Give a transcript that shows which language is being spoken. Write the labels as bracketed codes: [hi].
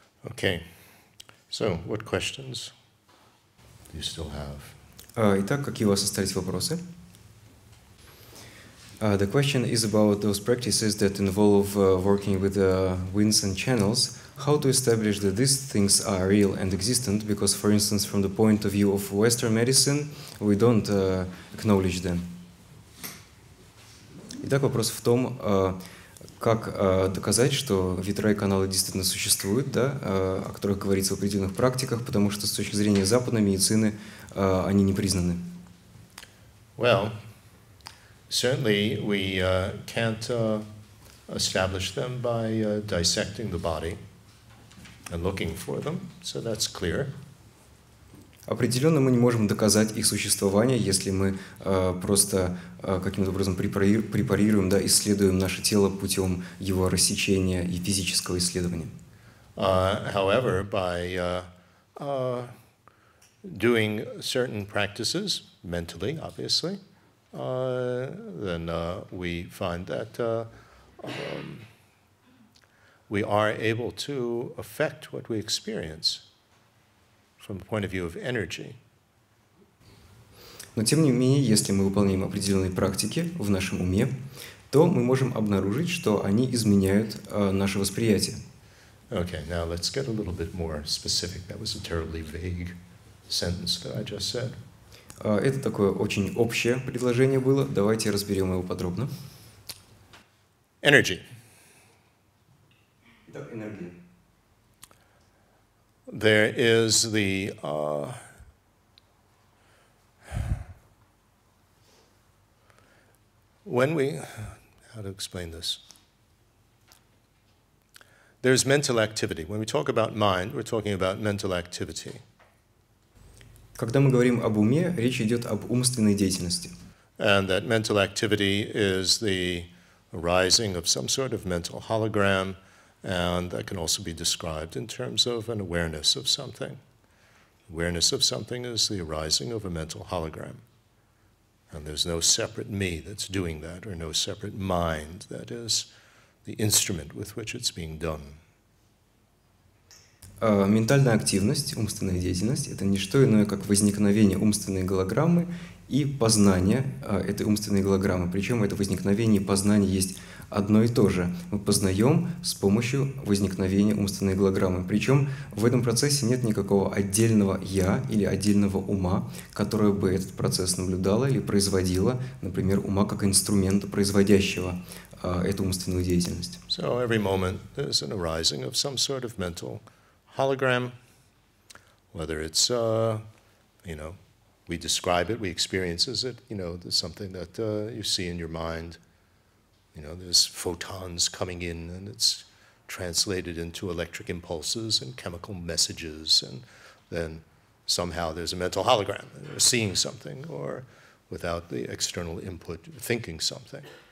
[en] Okay. So, what questions do you still have? [ru] Итак, какие у вас остались вопросы? [en] The question is about those practices that involve working with winds and channels. How to establish that these things are real and existent? Because, for instance, from the point of view of Western medicine, we don't acknowledge them. [ru] Итак, вопрос в том, как доказать, что ветра и каналы действительно существуют, да, о которых говорится в определенных практиках, потому что с точки зрения западной медицины они не признаны. [en] Well, certainly we can't establish them by dissecting the body and looking for them, so that's clear. [ru] Определенно мы не можем доказать их существование, если мы просто каким-то образом препарируем, да, исследуем наше тело путем его рассечения и физического исследования. [en] However, by doing certain practices mentally, obviously, then we find that we are able to affect what we experience. From the point of view of energy. [ru] Но тем не менее, если мы выполняем определенные практики в нашем уме, то мы можем обнаружить, что они изменяют наше восприятие. [en] Okay, now let's get a little bit more specific. That was a terribly vague sentence that I just said. [ru] Это такое очень общее предложение было. Давайте разберем его подробно. [en] Energy. [ru] Итак, энергия. [en] There is the when we how to explain this. There's mental activity. When we talk about mind, we're talking about mental activity. [ru] Когда мы говорим об уме, речь идет об умственной деятельности. [en] And that mental activity is the arising of some sort of mental hologram. And that can also be described in terms of an awareness of something. Awareness of something is the arising of a mental hologram. And there's no separate me that's doing that, or no separate mind that is the instrument with which it's being done. [ru] Ментальная активность, умственная деятельность — это не что иное, как возникновение умственной голограммы и познание этой умственной голограммы. Причем это возникновение и познание есть одно и то же. Мы познаем с помощью возникновения умственной голограммы. Причем в этом процессе нет никакого отдельного «я» или отдельного ума, которое бы этот процесс наблюдало или производило, например, ума как инструмента, производящего эту умственную деятельность. [en] So every moment there's an arising of some sort of mental hologram, whether it's, you know, we describe it, we experience it, you know, there's something that you see in your mind, you know, there's photons coming in and it's translated into electric impulses and chemical messages, and then somehow there's a mental hologram, and you're seeing something, or without the external input, thinking something.